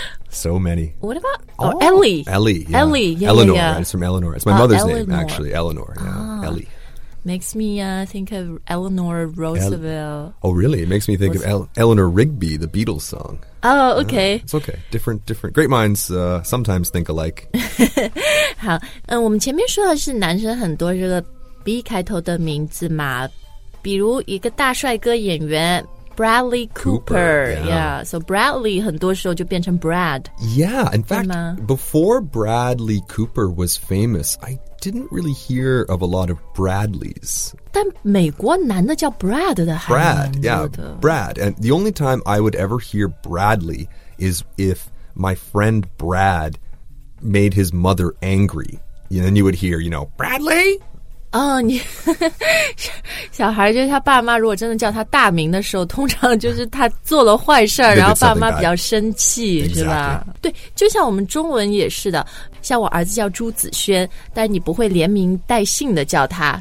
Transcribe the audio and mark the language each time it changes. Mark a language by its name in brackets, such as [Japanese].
[English] so many. What about, or、oh, Ellie. Ellie, yeah. Ellie, yeah, Eleanor, yeah, yeah. it's from Eleanor. It's my mother's Eleanor. Name, actually, Eleanor, yeah,、 ah. Ellie. Makes me、think of Eleanor Roosevelt. Oh, really? It makes me think、Eleanor Rigby, the Beatles song. Oh, okay.、 It's okay. Different, different. Great minds、sometimes think alike. [Chinese] 好、我们前面说的是男生很多这个 B 开头的名字嘛。比如一个大帅哥演员 Bradley Cooper. [English] Cooper yeah. [Chinese] yeah. So Bradley 很多时候就变成 Brad. [English] Yeah. In fact, before Bradley Cooper was famous, I... didn't really hear of a lot of Bradleys. [Chinese] 但美国男的叫 Brad 的还是男的 [English] Brad, yeah, Brad. And the only time I would ever hear Bradley is if my friend Brad made his mother angry. And then you would hear, you know, Bradley? [Chinese] 哦、oh, ，你小孩就是他爸妈如果真的叫他大名的时候，通常就是他做了坏事然后爸妈比较生气，是吧？ [English] Exactly. [Chinese] 对，就像我们中文也是的，像我儿子叫朱子轩，但你不会连名带姓的叫他，